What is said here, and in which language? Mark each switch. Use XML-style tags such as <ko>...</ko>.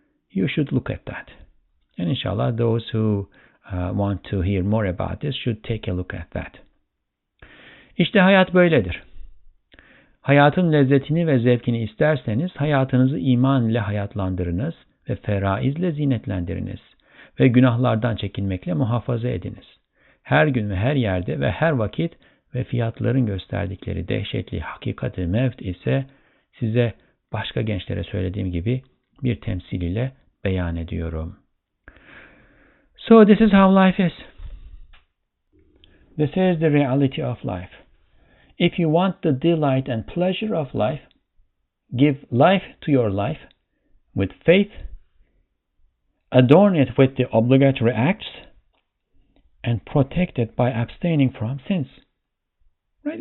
<en>You should look at that. And inshallah, those who want to hear more about this should take a look at that.</en> <tr>İşte hayat böyledir. Hayatın lezzetini ve zevkini isterseniz hayatınızı iman ile hayatlandırınız ve feraizle zinetlendiriniz ve günahlardan çekinmekle muhafaza ediniz. Her gün ve her yerde ve her vakit ve fiyatların gösterdikleri dehşetli hakikati mevt ise size başka gençlere söylediğim gibi bir temsil ile beyan ediyorum.</tr> <en>So this is how life is. This is the reality of life. If you want the delight and pleasure of life, give life to your life with faith, adorn it with the obligatory acts, and protect it by abstaining from sins. Right?</en>